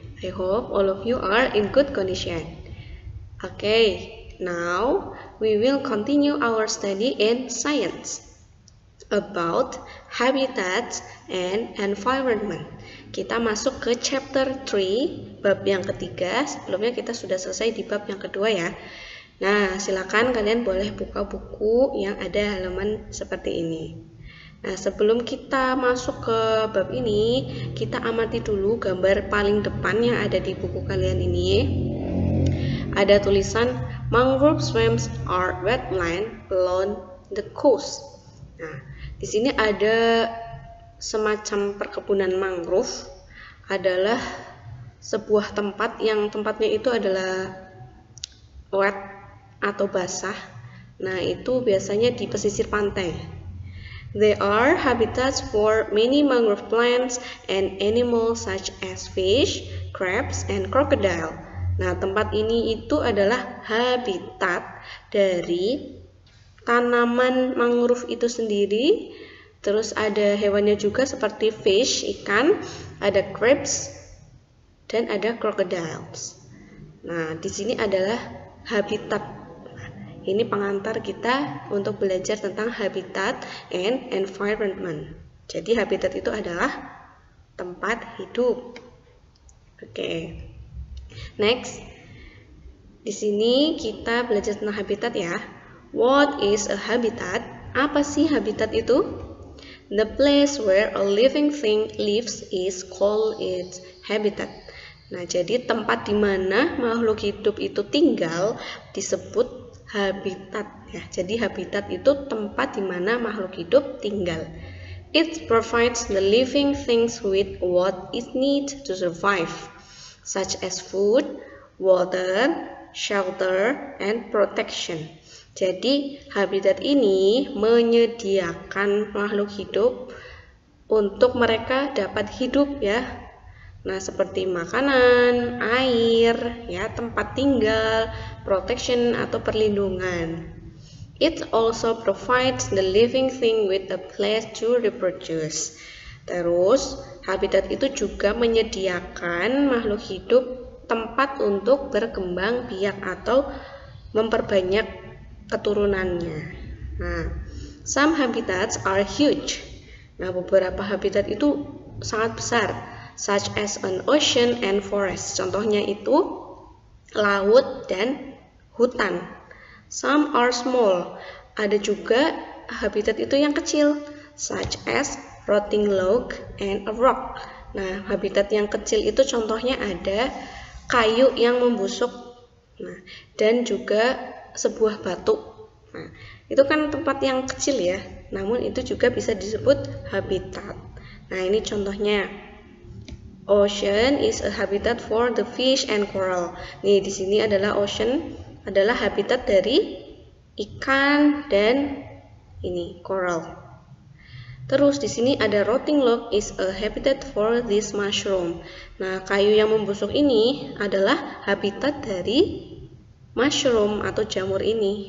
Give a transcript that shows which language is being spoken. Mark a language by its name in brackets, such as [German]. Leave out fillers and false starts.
[English] I hope all of you are in good condition. Okay, now we will continue our study in science about habitats and environment. [Indonesian] Kita masuk ke chapter 3, bab yang ketiga. Sebelumnya kita sudah selesai di bab yang kedua ya. Nah, silakan kalian boleh buka buku yang ada halaman seperti ini. Nah, sebelum kita masuk ke bab ini, kita amati dulu gambar paling depan yang ada di buku kalian ini. Ada tulisan mangrove swamps are wetland along the coast. Nah, di sini ada semacam perkebunan mangrove, adalah sebuah tempat yang tempatnya itu adalah wet atau basah. Nah, itu biasanya di pesisir pantai. [English] There are habitats for many mangrove plants and animals such as fish, crabs, and crocodile. [Indonesian] Nah, tempat ini itu adalah habitat dari tanaman mangrove itu sendiri. Terus ada hewannya juga seperti fish, ikan, ada crabs, dan ada crocodiles. Nah, di sini adalah habitat. Ini pengantar kita untuk belajar tentang habitat and environment. Jadi habitat itu adalah tempat hidup. Oke. Next. Di sini kita belajar tentang habitat ya. What is a habitat? [English] Apa sih habitat itu? The place where a living thing lives is called its habitat. [Indonesian] Nah, jadi tempat di mana makhluk hidup itu tinggal disebut habitat ya. Jadi habitat itu tempat di mana makhluk hidup tinggal. [English] It provides the living things with what it needs to survive, such as food, water, shelter, and protection. [Indonesian] Jadi habitat ini menyediakan makhluk hidup untuk mereka dapat hidup ya. Nah, seperti makanan, air, ya, tempat tinggal, protection atau perlindungan. [English] It also provides the living thing with a place to reproduce. [Indonesian] Terus, habitat itu juga menyediakan makhluk hidup tempat untuk berkembang biak atau memperbanyak keturunannya. [English] Nah, some habitats are huge. Nah, beberapa habitat itu sangat besar, such as an ocean and forest. [Indonesian] Contohnya itu laut dan hutan. [English] Some are small. Ada juga habitat itu yang kecil, such as rotting log and a rock. [Indonesian] Nah, habitat yang kecil itu contohnya ada kayu yang membusuk, nah, dan juga sebuah batu. Nah, itu kan tempat yang kecil ya, namun itu juga bisa disebut habitat. Nah, ini contohnya. [English] Ocean is a habitat for the fish and coral. [Indonesian] Nih, di sini adalah ocean adalah habitat dari ikan dan ini coral. [English] Terus di sini ada rotting log is a habitat for this mushroom. [Indonesian] Nah, kayu yang membusuk ini adalah habitat dari mushroom atau jamur ini.